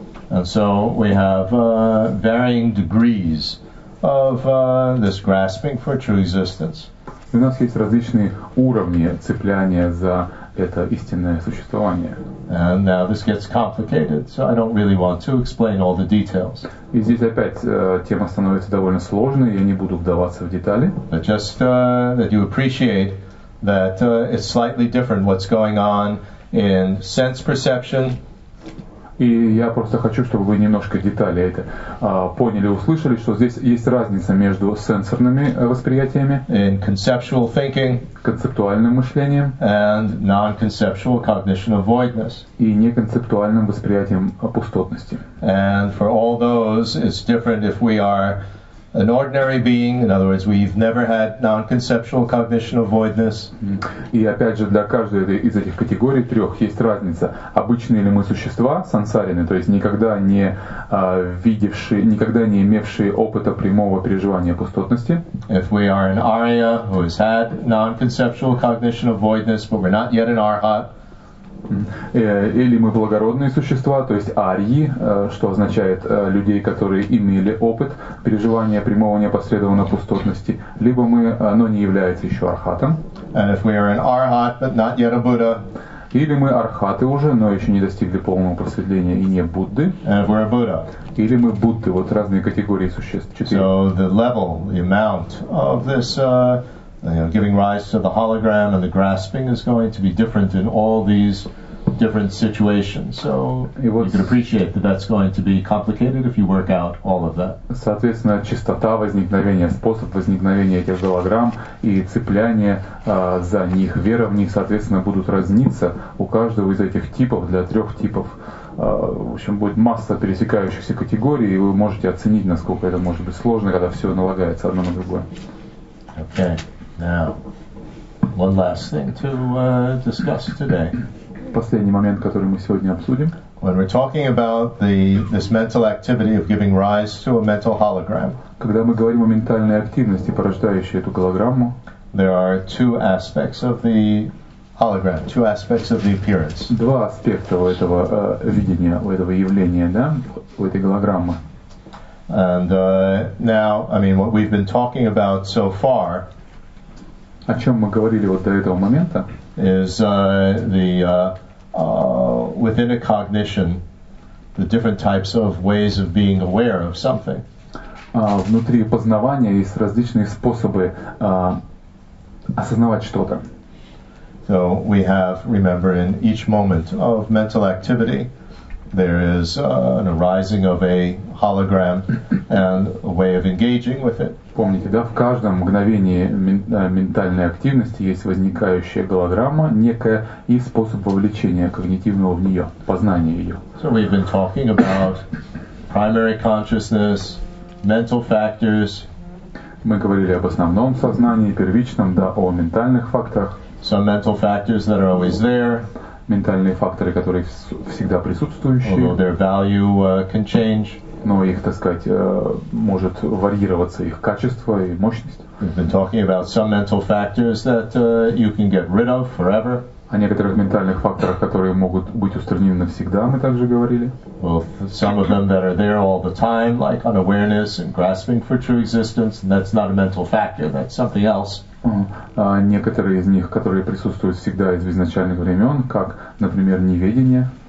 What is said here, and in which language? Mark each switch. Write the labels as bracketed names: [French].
[English] And so we have varying degrees of this grasping for true existence. [Russian] У нас есть различные уровни цепляния за это истинное существование. [English] And now this gets complicated, so I don't really want to explain all the details. [Russian] И здесь опять тема становится довольно сложной, я не буду вдаваться в детали. [English] But just that you appreciate that it's slightly different what's going on in sense perception. [Russian] И я просто хочу, чтобы вы немножко детали это поняли, услышали, что здесь есть разница между сенсорными восприятиями, [English] in conceptual thinking, [Russian] концептуальным мышлением, [English] and non-conceptual cognition of voidness, [Russian] и неконцептуальным восприятием пустотности. [English] And for all those, it's different if we are an ordinary being, in other words, we've never had non-conceptual cognition of voidness. [Russian] И опять же, для каждой из этих категорий трех есть разница. Обычные ли мы существа, сансарины, то есть никогда не видевшие, никогда не имевшие опыта прямого переживания пустотности. [English] If we are an arya, who has had non-conceptual cognition of voidness, but we're not yet an arhat. [Russian] Или мы благородные существа, то есть арьи, что означает людей, которые имели опыт переживания прямого непосредственного пустотности, либо мы, но не являются еще архатом. [English] And if we are an arhat, but not yet a Buddha. [Russian] Или мы архаты уже, но еще не достигли полного просветления и не Будды. [English] And if we're a Buddha. [Russian] Или мы Будды, вот разные категории существ. Четыре. [English] So the level, the amount of this you know, giving rise to the hologram and the grasping is going to be different in all these different situations. So you can appreciate that that's going to be complicated if you work out all of that. [Russian] Соответственно, частота возникновения, способ возникновения этих голограмм и цепляние за них, вера в них, соответственно, будут разниться у каждого из этих типов для трех типов. В общем, будет масса пересекающихся категорий, и вы можете оценить, насколько это может быть сложно, когда все налагается одно на другое. [English] Okay. Now, one last thing to discuss today. [Russian] Последний момент, который мы сегодня обсудим. [English] When we're talking about this mental activity of giving rise to a mental hologram. [Russian] Когда мы говорим о ментальной активности, порождающей эту голограмму. [English] There are two aspects of the hologram, two aspects of the appearance. [Russian] Два аспекта у этого видения, у этого явления, да, у этой голограммы. [English] And now, I mean, what we've been talking about so far. [Russian] О чем мы говорили вот до этого момента? [English] Is within a cognition the different types of ways of being aware of something. [Russian] Внутри познавания есть различные способы осознавать что-то. [English] So we have, remember, in each moment of mental activity, there is an arising of a hologram and a way of engaging with it. [Russian] Помните, да, в каждом мгновении ментальной активности есть возникающая голограмма, некая и способ вовлечения когнитивного в нее, познания ее. [English] So we've been talking about primary consciousness, mental factors. [Russian] Мы говорили об основном сознании, первичном, да, о ментальных факторах. [English] Some mental factors that are always there. [Russian] Ментальные факторы, которые всегда присутствующие. [English] Although their value can change. [Russian] Но их, так сказать, может варьироваться их качество и мощность. [English] We've been talking about some mental factors that you can get rid of forever. [Russian] О некоторых ментальных факторах, которые могут быть устранены навсегда, мы также говорили. [English] Well, some of them that are there all the time, like unawareness and grasping for true existence, and that's not a mental factor, that's something else. [Russian] некоторые из них, которые присутствуют всегда из изначальных времен, как, например, неведение.